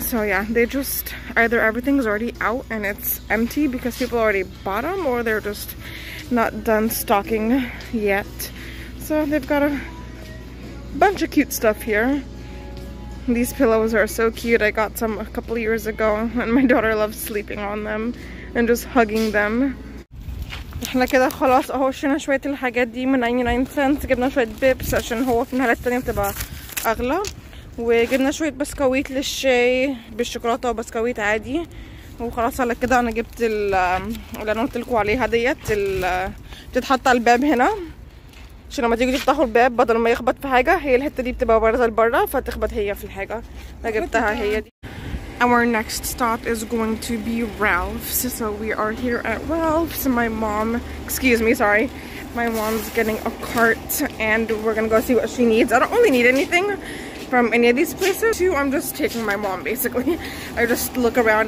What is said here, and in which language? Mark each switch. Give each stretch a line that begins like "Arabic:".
English: So yeah, they just either everything's already out and it's empty because people already bought them, or they're just not done stocking yet. So they've got a bunch of cute stuff here. These pillows are so cute. I got some a couple years ago, and my daughter loves sleeping on them and just hugging them.
Arabic: احنا كده خلاص اهو شينا شويه الحاجات دي من 99 سنت جبنا شويه بيبس عشان هو في المحلات الثانيه بتبقى اغلى. وجبنا شوية بسكويت للشاي بالشوكولاتة وبسكويت عادي. وخلاص على كده انا جبت اللي انا قلتلكوا عليها ديت اللي بتتحط على الباب هنا عشان لما تيجوا تفتحوا الباب بدل ما يخبط في حاجة هي الحتة دي بتبقى بارزة لبرا فتخبط هي في الحاجة فجبتها هي دي.
English: Our next stop is going to be Ralph's. So we are here at Ralph's. My mom, excuse me, sorry. My mom's getting a cart and we're gonna go see what she needs. I don't really need anything from any of these places. Two, I'm just taking my mom basically. I just look around.